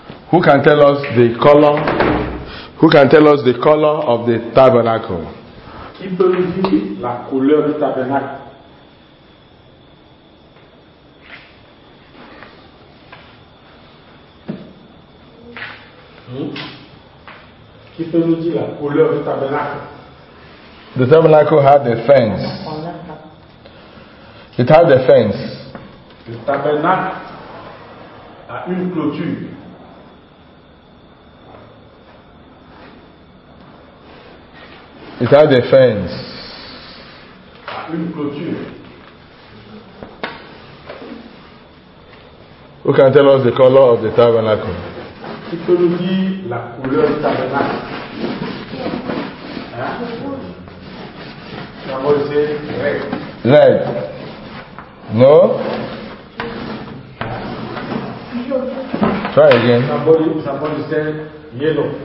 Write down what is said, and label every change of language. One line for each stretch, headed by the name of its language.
English: Who can tell us the color? Who can tell us the color of the tabernacle?
French: Qui peut nous dire la couleur du tabernacle? Qui peut nous dire la couleur du tabernacle?
English: The tabernacle had a fence. It had a fence.
French: Le tabernacle a une clôture.
English: It had a fence.
French: Une clôture.
English: Who can tell us the color of the tabernacle?
French: Qui peut nous dire la couleur du tabernacle? Hein? Vous savez,
English: red. Red. No? Try again.
French: Vous savez,
English: yellow.